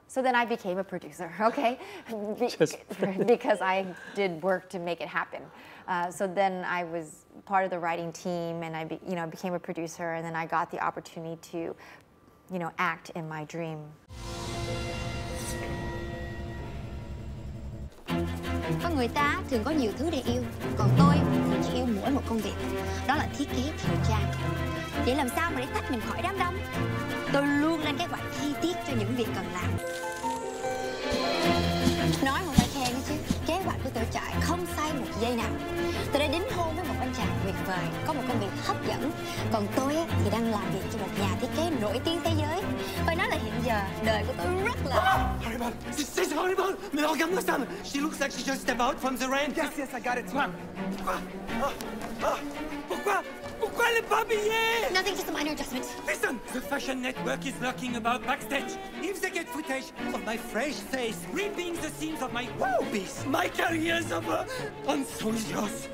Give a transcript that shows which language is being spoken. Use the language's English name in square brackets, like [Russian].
[English] So then I became a producer, okay? because I did work to make it happen. So then I was part of the writing team and I became a producer and then I got the opportunity to, you know, act in my dream. [Vietnamese] Con người ta thường có nhiều thứ để yêu, còn tôi thì chỉ yêu mỗi một công việc, đó là thiết kế thời trang. Vậy làm sao mà để tách mình khỏi đám đông? Tôi luôn lên kế hoạch chi tiết cho những việc cần làm. Nói một vài khen chứ, kế hoạch của tôi chạy không sai một giây nào. Tôi đã đính hôn với một anh chàng tuyệt vời, có một công việc hấp dẫn. Còn tôi thì đang làm việc cho một nhà thiết kế nổi tiếng thế giới. Phải nói là hiện giờ đời của tôi rất là... [English] Haribon! She's Haribon! [French] Mais regarde-moi ça! [English] She looks like she just stepped out from the rain. Yes, yes, I got it. [French] Pourquoi elle est pas habillée? [English] Nothing, just a minor adjustment. Listen, the fashion network is lurking about backstage. If they get footage of my fresh face ripping the seams of my wow piece, my career's over, and so is yours.